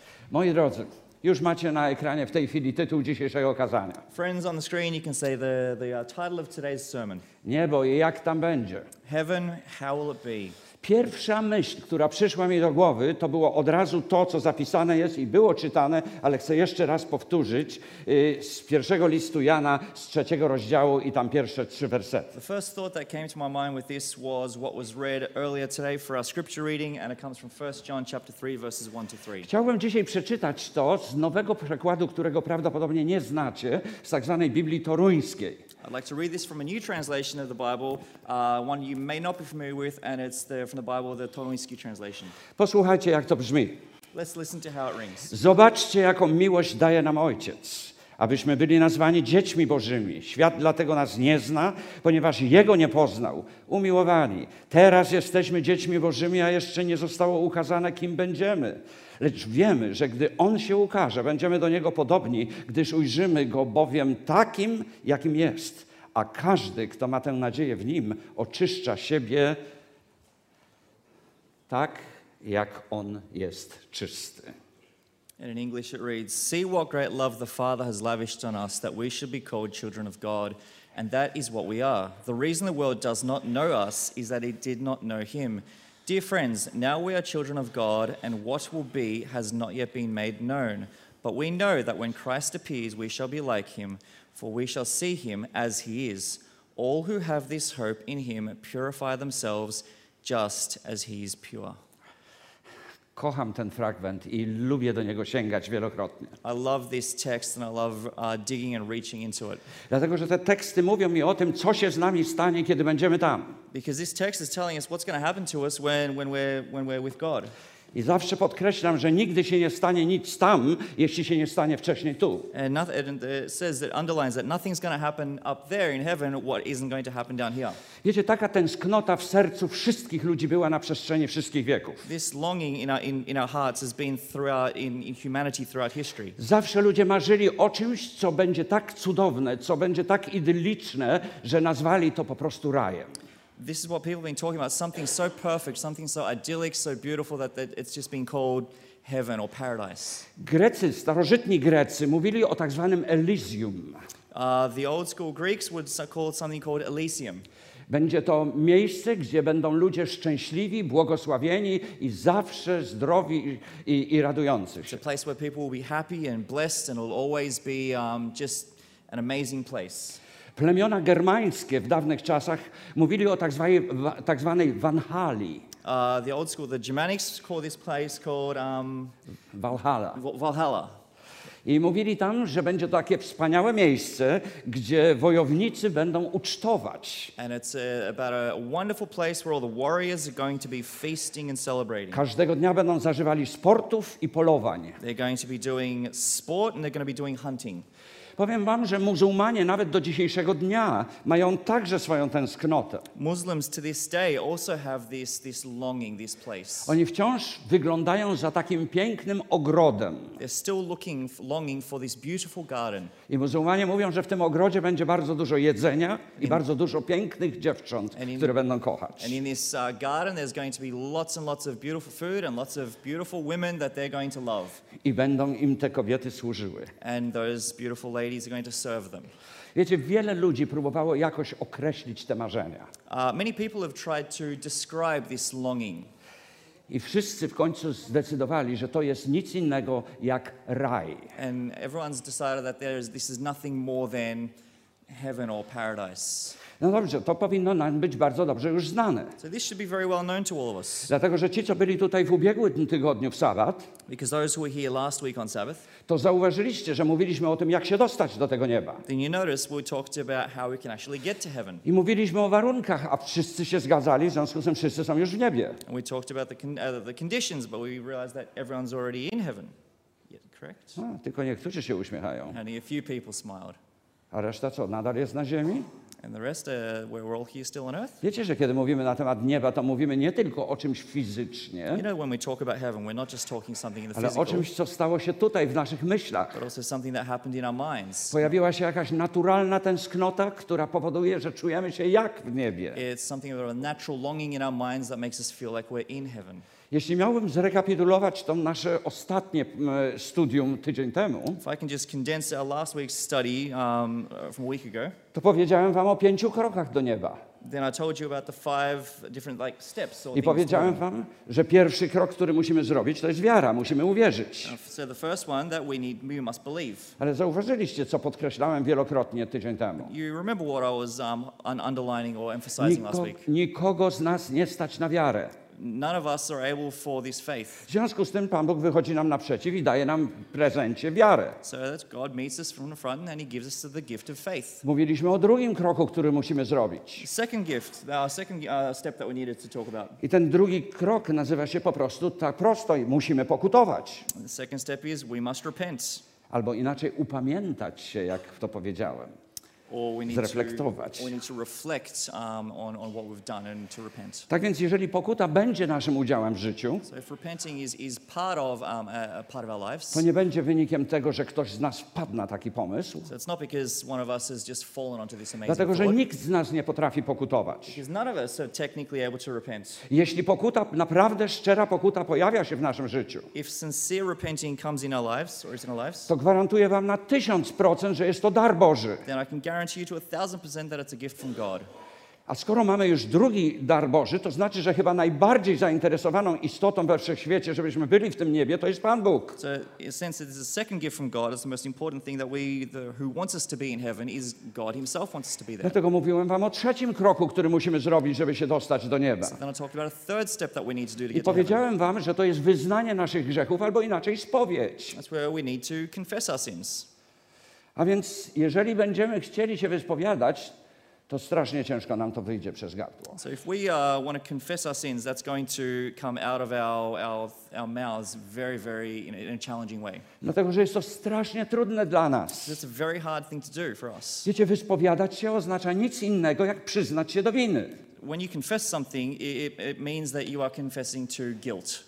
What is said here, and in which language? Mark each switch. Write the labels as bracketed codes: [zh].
[pl] Moi drodzy, już macie na ekranie w tej chwili tytuł dzisiejszego kazania. [en] Friends on the screen, you can see the title of today's sermon. [pl] Niebo i jak tam będzie? [en] Heaven, how will it be? [pl] Pierwsza myśl, która przyszła mi do głowy, to było od razu to, co zapisane jest i było czytane, ale chcę jeszcze raz powtórzyć z pierwszego listu Jana, z trzeciego rozdziału i tam pierwsze trzy wersety. [en] The first thought that came to my mind with this was what was read earlier today for our scripture reading, and it comes from 1 John chapter 3, verses 1-3. [pl] Chciałbym dzisiaj przeczytać to z nowego przekładu, którego prawdopodobnie nie znacie, z tak zwanej Biblii Toruńskiej. [en] I'd like to read this from a new translation of the Bible, one you may not be familiar with, and it's from the Bible, the Toruński translation. [pl] Posłuchajcie, jak to brzmi. [en] Let's listen to how it rings. [pl] Zobaczcie, jaką miłość daje nam Ojciec, abyśmy byli nazwani dziećmi Bożymi. Świat dlatego nas nie zna, ponieważ Jego nie poznał. Umiłowani, teraz jesteśmy dziećmi Bożymi, a jeszcze nie zostało ukazane, kim będziemy. Lecz wiemy, że gdy On się ukaże, będziemy do Niego podobni, gdyż ujrzymy Go bowiem takim, jakim jest. A każdy, kto ma tę nadzieję w Nim, oczyszcza siebie tak, jak On jest czysty. [en] And in English it reads, "See what great love the Father has lavished on us, that we should be called children of God, and that is what we are. The reason the world does not know us is that it did not know Him. Dear friends, now we are children of God, and what will be has not yet been made known. But we know that when Christ appears, we shall be like Him, for we shall see Him as He is. All who have this hope in Him purify themselves, just as He is pure." [pl] Kocham ten fragment i lubię do niego sięgać wielokrotnie. [en] I love this text and I love digging and reaching into it. [pl] Dlatego, że te teksty mówią mi o tym, co się z nami stanie, kiedy będziemy tam. [en] Because this text is telling us what's going to happen to us when we're with God. [pl] I zawsze podkreślam, że nigdy się nie stanie nic tam, jeśli się nie stanie wcześniej tu. [en] And it says that underlines that nothing's going to happen up there in heaven what isn't going to happen down here. [pl] Wiecie, taka tęsknota w sercu wszystkich ludzi była na przestrzeni wszystkich wieków. [en] This longing in our hearts has been throughout in humanity throughout history. [pl] Zawsze ludzie marzyli o czymś, co będzie tak cudowne, co będzie tak idylliczne, że nazwali to po prostu rajem. [en] This is what people have been talking about, something so perfect, something so idyllic, so beautiful that it's just been called heaven or paradise. [pl] Grecy, starożytni Grecy mówili o tak zwanym Elysium. [en] The old school Greeks would call something called Elysium. [pl] Będzie to miejsce, gdzie będą ludzie szczęśliwi, błogosławieni i zawsze zdrowi i radujący się. [en] It's a place where people will be happy and blessed and will always be just an amazing place. [pl] Plemiona germańskie w dawnych czasach mówili o tak zwanej Walhali. [en] The old school, the Germanics call this place called Valhalla. Valhalla. [pl] I mówili tam, że będzie to takie wspaniałe miejsce, gdzie wojownicy będą ucztować. [en] And it's about a wonderful place where all the warriors are going to be feasting and celebrating. [pl] Każdego dnia będą zażywali sportów i polowań. [en] They're going to be doing sport and they're going to be doing hunting. [pl] Powiem wam, że muzułmanie nawet do dzisiejszego dnia mają także swoją tęsknotę. [en] Muslims to this day also have this longing, this place. [pl] Oni wciąż wyglądają za takim pięknym ogrodem. [en] They're still looking, longing for this beautiful garden. [pl] I muzułmanie mówią, że w tym ogrodzie będzie bardzo dużo jedzenia i bardzo dużo pięknych dziewcząt, które będą kochać. [en] And in this garden there's going to be lots and lots of beautiful food and lots of beautiful women that they're going to love. [pl] I będą im te kobiety służyły. [en] And those beautiful ladies are going to serve them. [pl] Wiecie, wiele ludzi próbowało jakoś określić te marzenia. [en] Many people have tried to describe this longing. [pl] I wszyscy w końcu zdecydowali, że to jest nic innego jak raj. [en] And everyone's decided that this is nothing more than heaven or paradise. [pl] No dobrze, to powinno nam być bardzo dobrze już znane. [en] So this should be very well known to all of us. [pl] Dlatego, że ci, co byli tutaj w ubiegłym tygodniu w sabat, [en] because those who were here last week on Sabbath, [pl] to zauważyliście, że mówiliśmy o tym, jak się dostać do tego nieba. [en] Then you noticed we talked about how we can actually get to heaven. [pl] I mówiliśmy o warunkach, a wszyscy się zgadzali, w związku z tym wszyscy są już w niebie. [en] And we talked about the conditions, but we realized that everyone's already in heaven. Yeah, correct? [pl] A, tylko niektórzy się uśmiechają. [en] Only a few people smiled. [pl] A reszta co, nadal jest na ziemi? [en] And the rest, we're all here still on earth. [pl] Wiecie, że kiedy mówimy na temat nieba, to mówimy nie tylko o czymś fizycznie, [en] you know, when we talk about heaven, we're not just talking something in the [pl] ale [en] physical, [pl] o czymś, co stało się tutaj w naszych myślach. [en] But also something that happened in our minds. [pl] Pojawiła się jakaś naturalna tęsknota, która powoduje, że czujemy się jak w niebie. [en] It's something about a natural longing in our minds that makes us feel like we're in heaven. [pl] Jeśli miałbym zrekapitulować to nasze ostatnie studium tydzień temu, [en] if I can just condense our last week's study from a week ago, [pl] to powiedziałem wam o pięciu krokach do nieba. [en] Then I told you about the five different like steps. [pl] I powiedziałem wam, że pierwszy krok, który musimy zrobić, to jest wiara, musimy uwierzyć. [en] So the first one that we must believe. [pl] Ale zauważyliście, co podkreślałem wielokrotnie tydzień temu. [en] You remember what I was underlining or emphasizing last week. [pl] Nikogo z nas nie stać na wiarę. [en] None of us are able for this faith. [pl] W związku z tym Pan Bóg wychodzi nam naprzeciw i daje nam prezencie wiary. [en] So that God meets us from the front and he gives us the gift of faith. [pl] Mówiliśmy o drugim kroku, który musimy zrobić. [en] Second gift, our second step that we needed to talk about. [pl] I ten drugi krok nazywa się po prostu tak prosto, musimy pokutować. [en] The second step is we must repent. [pl] Albo inaczej upamiętać się, jak to powiedziałem. Zreflektować. [en] Or we need to reflect on what we've done and to repent. [pl] Tak więc jeżeli pokuta będzie naszym udziałem w życiu, [en] so if repenting is part of part of our lives, [pl] to nie będzie wynikiem tego, że ktoś z nas wpadł na taki pomysł. [en] So it's not because one of us has just fallen onto this amazing. [pl] Dlatego, [en] thought, [pl] że nikt z nas nie potrafi pokutować. [en] Because none of us are technically able to repent. [pl] Jeśli pokuta, naprawdę szczera pokuta pojawia się w naszym życiu, [en] if sincere repenting comes in our lives or is in our lives, [pl] to gwarantuję wam na 1000%, że jest to dar Boży. [en] Then I can guarantee you to 1000% that it's a gift from God. [pl] A skoro mamy już drugi dar Boży, to znaczy, że chyba najbardziej zainteresowaną istotą we wszechświecie, żebyśmy byli w tym niebie, to jest Pan Bóg. [en] So in a sense that this is a second gift from God, it's the most important thing that who wants us to be in heaven is God himself wants us to be there. [pl] Dlatego mówiłem wam o trzecim kroku, który musimy zrobić, żeby się dostać do nieba. [en] So then I talked about a third step that we need to do to get [pl] to. I powiedziałem wam, że to jest wyznanie naszych grzechów albo inaczej spowiedź. [en] That's where we need to confess our sins. [pl] A więc jeżeli będziemy chcieli się wyspowiadać, to strasznie ciężko nam to wyjdzie przez gardło. [en] So if we want to confess our sins, that's going to come out of our mouths very, very in a challenging way. [pl] Dlatego, że jest to strasznie trudne dla nas. [en] So it's a very hard thing to do for us. [pl] Wiecie, wyspowiadać się oznacza nic innego, jak przyznać się do winy. [en] When you confess something, it means that you are confessing to guilt.